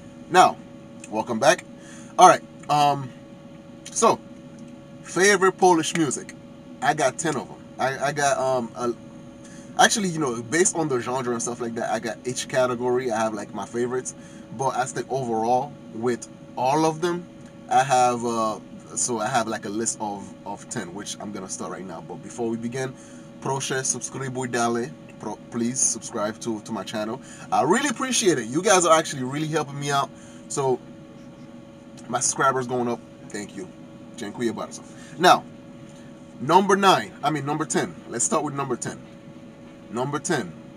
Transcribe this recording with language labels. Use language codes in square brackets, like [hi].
[en] Now, welcome back. All right, so favorite Polish music. I got 10 of them. I got, actually, you know, based on the genre and stuff like that, I got each category, I have like my favorites, but I stick overall with all of them. I have like a list of 10, which I'm gonna start right now. But before we begin, [pl] proszę subskrybuj dalej. [en] Please subscribe to my channel. I really appreciate it. You guys are actually really helping me out. So, my subscribers going up. Thank you. [pl] Dziękuję bardzo. [en] Now, number 10. Let's start with number 10. Number 10.